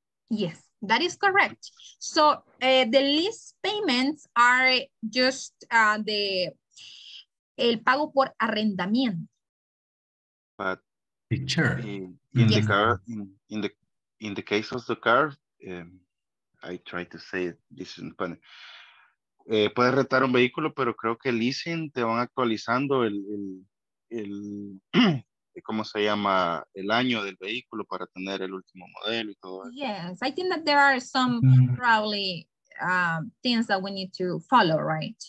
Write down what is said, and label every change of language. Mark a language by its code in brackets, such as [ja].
[en] Yes, that is correct. So the lease payments are just the [es] el pago por arrendamiento. [en] But. Picture. In the car, in the case of the car, I try to say it, this is funny. [es] Puedes rentar un vehículo, pero creo que leasing te van actualizando el ¿cómo se llama? El año del vehículo para tener el último modelo y todo. [en] Yes, I think that there are some probably things that we need to follow, right?